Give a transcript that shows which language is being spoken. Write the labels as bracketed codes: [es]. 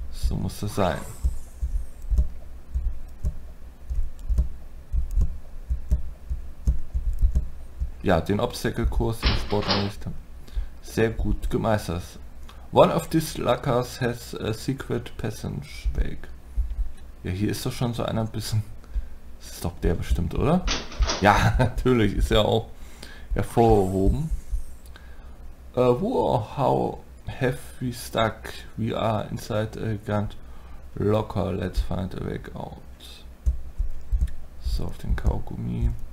[de] Muss das sein. Ja, den Obstacle-Kurs im Sportunterricht sehr gut gemeistert. [en] One of these lockers has a secret passage bag. [de] Ja, hier ist doch schon so einer ein bisschen... Das ist doch der bestimmt, oder? Ja, natürlich, ist ja auch hervorgehoben. [en] How have we stuck? We are inside a gigant... Locker, let's find a way out. [de] So, auf den Kaugummi.